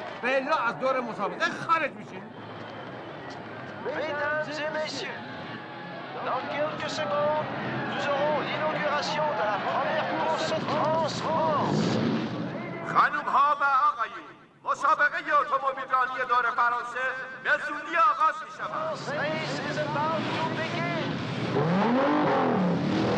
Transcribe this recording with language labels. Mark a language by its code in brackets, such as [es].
[fa] بلا از دور مسابقه خارج میشین. [fr] Mesdames et messieurs, dans quelques secondes, nous aurons l'inauguration de la première course de France. [fa] خانم ها و آقایی، مسابقه ی اتومبیل رانی دور فرانسه به زودی آغاز می شود.